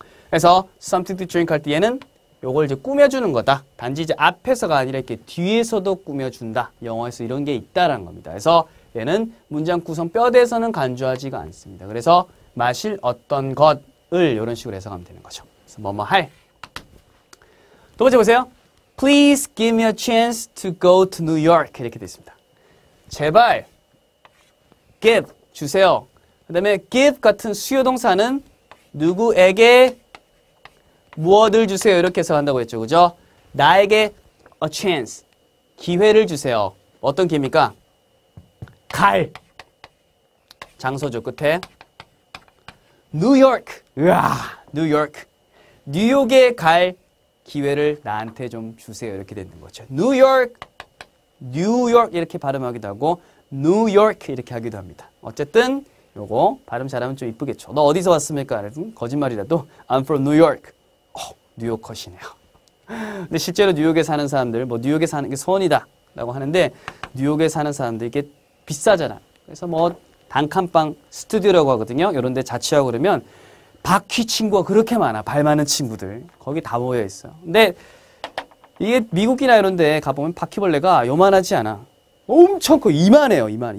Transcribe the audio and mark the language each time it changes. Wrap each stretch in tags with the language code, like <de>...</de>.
<ko>그래서</ko> <en>something to drink</en> <ko>할 때 얘는 요걸 이제 꾸며주는 거다. 단지 이제 앞에서가 아니라 이렇게 뒤에서도 꾸며준다. 영어에서 이런 게 있다라는 겁니다. 그래서 얘는 문장 구성 뼈대에서는 간주하지가 않습니다. 그래서 마실 어떤 것을 이런 식으로 해석하면 되는 거죠. 그래서 뭐뭐 할. 두 번째 보세요.</ko> <en>Please give me a chance to go to New York.</en> <ko>이렇게 되어 있습니다. 제발 give 주세요. 그 다음에 give 같은 수요동사는 누구에게 무엇을 주세요? 이렇게 해석한다고 했죠. 그죠? 나에게 a chance, 기회를 주세요. 어떤 기회입니까? 갈. 장소죠, 끝에. 뉴욕. 으아, 뉴욕. 뉴욕에 갈 기회를 나한테 좀 주세요. 이렇게 되는 거죠. 뉴욕. 뉴욕 이렇게 발음하기도 하고 뉴욕 이렇게 하기도 합니다. 어쨌든 요거 발음 잘하면 좀 이쁘겠죠. 너 어디서 왔습니까? 거짓말이라도</ko> <en>I'm from New York.</en> <ko>뉴욕컷이네요. 근데 실제로 뉴욕에 사는 사람들, 뭐 뉴욕에 사는 게 손이다 라고 하는데 뉴욕에 사는 사람들 이게 비싸잖아. 그래서 뭐 단칸방 스튜디오라고 하거든요. 이런 데 자취하고 그러면 바퀴 친구가 그렇게 많아. 발 많은 친구들. 거기 다 모여있어. 근데 이게 미국이나 이런 데 가보면 바퀴벌레가 요만하지 않아. 엄청 커. 이만해요. 이만.</ko>